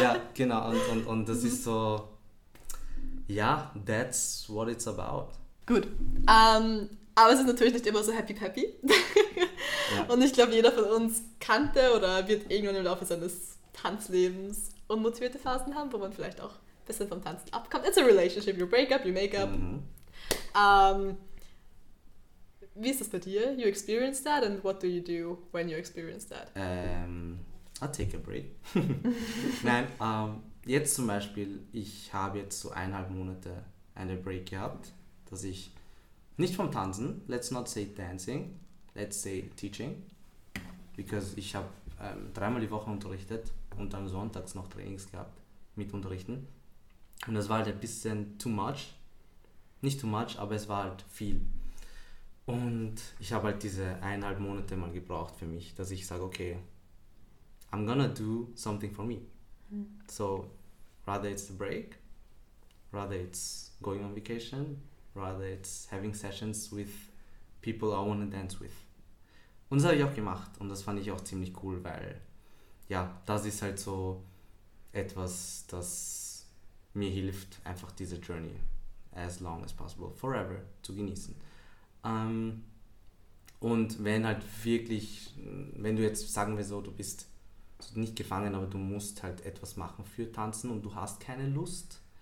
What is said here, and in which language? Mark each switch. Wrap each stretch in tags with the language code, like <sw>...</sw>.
<de>Ja, genau. Und das ist so. Ja,</de> <en>yeah, that's what it's about.</en> <de>Gut. Aber es ist natürlich nicht immer so happy-peppy. Ja. Und ich glaube, jeder von uns kannte oder wird irgendwann im Laufe seines Tanzlebens unmotivierte Phasen haben, wo man vielleicht auch ein bisschen vom Tanzen abkommt.</de> <en>It's a relationship, you break up, you make up. Mhm.</en> <de>Wie ist das bei dir?</de> <en>You experience that and what do you do when you experience that? I take a break.</en> <de>Nein, jetzt zum Beispiel, ich habe jetzt so 1,5 Monate eine Break gehabt, dass ich nicht vom Tanzen,</de> <en>let's not say dancing, let's say teaching, because</en> <de>ich habe 3-mal die Woche unterrichtet und dann sonntags noch Trainings gehabt mit Unterrichten. Und das war halt ein bisschen</de> <en>too much.</en> <de>Nicht too much, aber es war halt viel. Und ich habe halt diese 1,5 Monate mal gebraucht für mich, dass ich sage, okay,</de> <en>I'm gonna do something for me. So, rather it's the break, rather it's going on vacation, rather it's having sessions with people I want to dance with.</en> <de>Und das habe ich auch gemacht und das fand ich auch ziemlich cool, weil ja, das ist halt so, etwas, das mir hilft, einfach diese Journey</de> <en>as long as possible, forever</en> <de>zu genießen. Und wenn halt wirklich, wenn du jetzt, sagen wir so, du bist nicht gefangen, aber du musst halt etwas machen für Tanzen und du hast keine Lust,</de>